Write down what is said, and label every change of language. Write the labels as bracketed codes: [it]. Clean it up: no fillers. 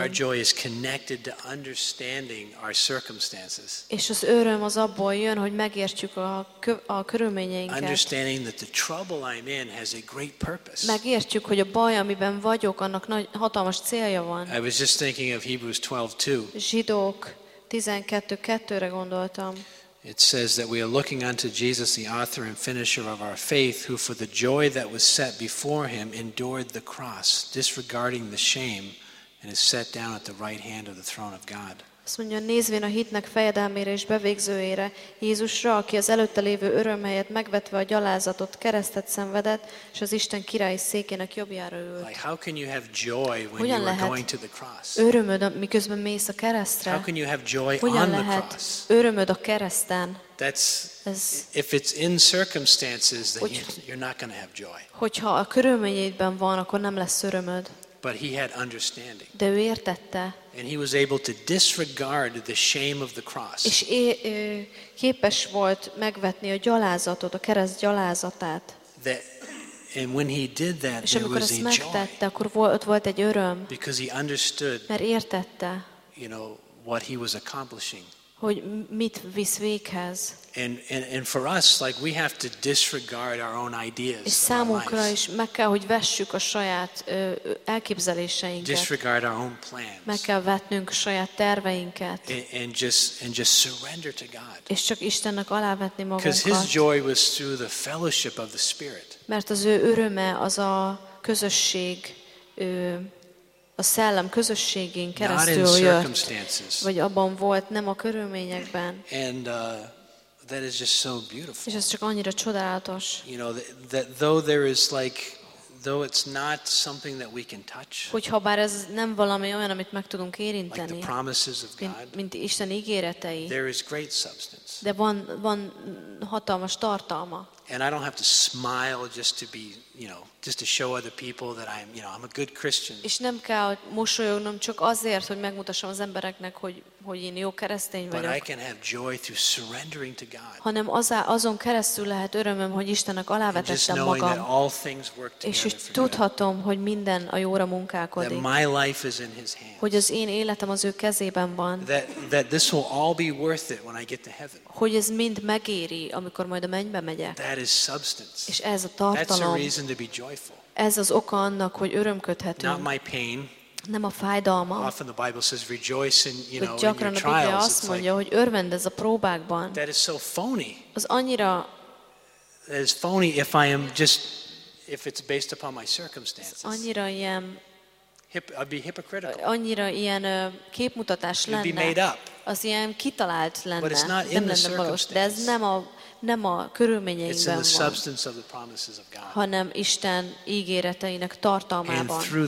[en] Our joy is connected to understanding our circumstances. [hu] És az öröm az abból jön, hogy megértjük a körülményeinket. [en] Understanding that the trouble I'm in has a great purpose. [hu] Megértjük, hogy a baj, amiben vagyok, annak nagy hatalmas. [en] I was just thinking of Hebrews 12:2. [hu] Zsidók 12:2-re gondoltam. [en] It says that we are looking unto Jesus, the author and finisher of our faith, who for the joy that was set before him endured the cross, disregarding the shame, and is set down at the right hand of the throne of God. [hu] Azt mondja, nézvén a hitnek fejedelmére és bevégzőjére, Jézusra, aki az előtte lévő öröm helyett megvetve a gyalázatot, keresztet szenvedett, és az Isten királyi székének jobbjára ült. [en] Like, how can you have joy when you are going to the cross? [hu] Örömöd, miközben mész a keresztre? [en] How can you have joy [hu] hogyan [en] on [hu] lehet [en] the cross? [hu] Örömöd a kereszten? [en] That's if it's in circumstances that you're not going to have joy. [hu] Hogyha a körülményeidben van, akkor nem lesz örömöd. [en] But he had understanding. [hu] De ő értette. [en] And he was able to disregard the shame of the cross. [hu] És képes volt megvetni a gyalázatot, a kereszt gyalázatát. [en] And when he did that, [hu] és amikor [en] there was [hu] ezt megtette, akkor volt egy öröm. [en] Because he understood. [hu] Mert értette. [en] You know what he was accomplishing. [hu] Hogy mit visz véghez. [en] And for us, like, we have to disregard our own ideas. [hu] És számunkra is meg kell, hogy vessük a saját elképzeléseinket. [en] Disregard our own plans. [hu] Meg kell vetnünk saját terveinket. [en] And just surrender to God. [hu] És csak Istennek alávetni magunkat. [en] Because his joy was through the fellowship of the Spirit. [hu] Mert az ő öröme az a közösség, a szellem közösségén keresztül jött. Vagy abban volt, nem a körülményekben. [en] That is just so beautiful. [hu] És ez csak annyira csodálatos. [en] You know that though there is like though it's not something that we can touch. [hu] Hogyha bár ez nem valami olyan, amit meg tudunk érinteni. [en] Like the promises of God. [hu] Mint Isten ígéretei. [en] There is great substance. [hu] De van hatalmas tartalma. [en] And I don't have to smile just to be, you know, just to show other people that I'm, you know, I'm a good Christian. [hu] És nem kell mosolyognom csak azért, hogy megmutassam az embereknek, hogy én jó keresztény vagyok. [en] But I can have joy through surrendering to God. [hu] Hanem azon keresztül lehet örömöm, hogy Istennek alávetettem magam. És hogy tudhatom, hogy minden a jóra munkálkodik. [en] That my life is in his hands. [hu] Hogy az én életem az ő kezében van. [en] That this will all be worth it when I get to heaven. [hu] Hogy ez mind megéri, amikor majd a mennybe megyek. [en] That is substance. [hu] És ez a tartalom. [en] That's a reason to be joyful. [hu] Ez az oka annak, hogy örömködhetünk. [en] Not my pain. [hu] Nem a fájdalma. [en] Often the Bible says rejoice in, you know, [hu] hogy gyakran [en] in your trials. [hu] A Biblia azt mondja, hogy örvendez a próbákban. [en] That is so phony. [hu] Az annyira. [en] That is phony if I am just if it's based upon my circumstances. [hu] Annyira ilyen. [en] I'd be hypocritical. [hu] Annyira ilyen képmutatás lenne. [en] You'd be made up. [hu] Az ilyen kitalált lenne. [en] But it's not in the circumstances. [hu] De ez nem a körülményeinkben van, hanem Isten ígéreteinek tartalmában.